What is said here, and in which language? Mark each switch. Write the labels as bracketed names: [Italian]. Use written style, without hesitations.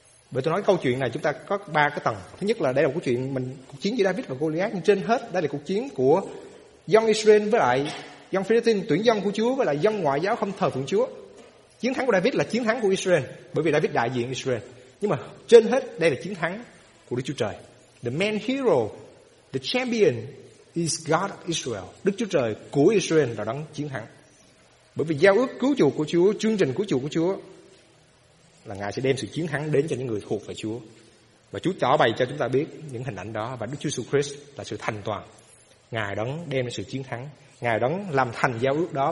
[Vietnamese] Bởi tôi nói câu chuyện này chúng ta có ba cái tầng. Thứ nhất là đây là một chuyện mình cuộc chiến giữa David và Goliath, nhưng trên hết đây là cuộc chiến của dân Israel với lại dân Philistine, tuyển dân của Chúa với lại dân ngoại giáo không thờ phượng Chúa. Chiến thắng của David là chiến thắng của Israel, bởi vì David đại diện Israel. Nhưng mà trên hết đây là chiến thắng của Đức Chúa Trời. [English] The main hero, the champion is God of Israel. [Vietnamese] Đức Chúa Trời của Israel là đấng chiến thắng. Bởi vì giao ước cứu chuộc của Chúa, chương trình cứu chuộc của Chúa là Ngài sẽ đem sự chiến thắng đến cho những người thuộc về Chúa. Và Chúa tỏ bày cho chúng ta biết những hình ảnh đó. Và Đức Chúa Jesus Christ là sự thành toàn. Ngài đấng đem sự chiến thắng. Ngài đấng làm thành giao ước đó.